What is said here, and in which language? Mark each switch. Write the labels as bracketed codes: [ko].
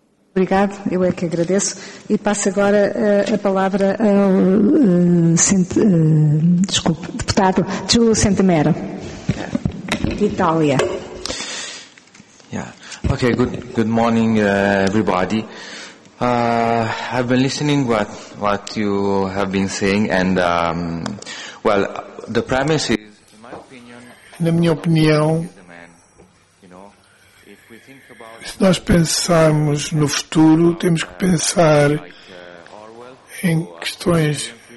[pt] Obrigado, eu é que agradeço. E passo agora a palavra ao deputado Giulio Centemero, de Itália. [en] Yeah. Ok, good morning, everybody. I've been listening what you have been saying, and well, the premise is, in my opinion, [pt] na minha opinião, se nós pensarmos no futuro, temos que pensar em questões.